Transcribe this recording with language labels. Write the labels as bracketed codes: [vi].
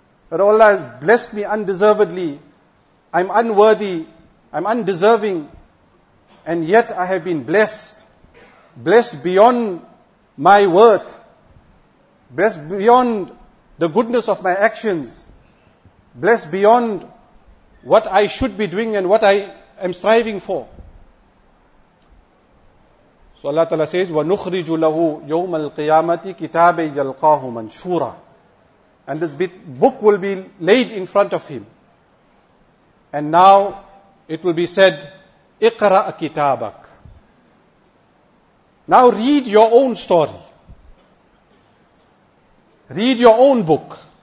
[en] That Allah has blessed me undeservedly, I'm unworthy, I'm undeserving, and yet I have been blessed. Blessed beyond my worth, blessed beyond the goodness of my actions, blessed beyond what I should be doing and what I am striving for. So Allah Ta'ala says, [ar] وَنُخْرِجُ لَهُ يَوْمَ الْقِيَامَةِ كِتَابَ يَلْقَاهُ مَنْشُورًا. [en] And this book will be laid in front of him. And now it will be said, [ar] اِقْرَأَ كِتَابَكَ. [en] Now read your own story. Read your own book.